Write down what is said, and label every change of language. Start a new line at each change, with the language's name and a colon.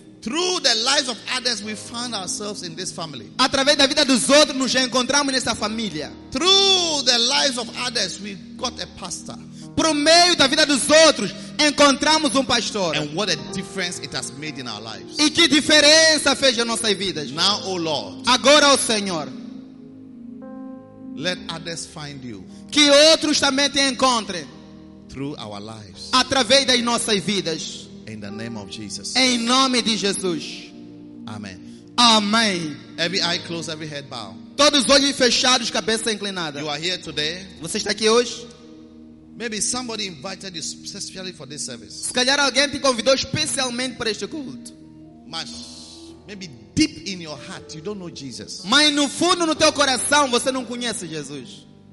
English: Through the lives of others we found ourselves in this family.
Portuguese: Através da vida dos outros nos encontramos nessa família.
English: Through the lives of others we got a pastor.
Portuguese: Por meio da vida dos outros encontramos pastor.
English: And what a difference it has made in our lives.
Portuguese: E que diferença fez em nossas vidas.
English: Now, oh Lord.
Portuguese: Agora, oh Senhor.
English: Let others find you.
Portuguese: Que outros também te encontrem.
English: Through our lives.
Portuguese: Através das nossas vidas.
English: In the name of Jesus.
Portuguese: Em nome de Jesus. Amém. Amém.
English: Every eye closed, every head bowed.
Portuguese: Todos os olhos fechados, cabeça inclinada.
English: You are here today.
Portuguese: Você está aqui hoje?
English: Maybe somebody invited you specially for this service.
Portuguese: Se calhar alguém te convidou especialmente para este culto.
English: Mas maybe deep in your heart you don't know Jesus.
Portuguese: Mas no fundo no teu coração você não conhece Jesus.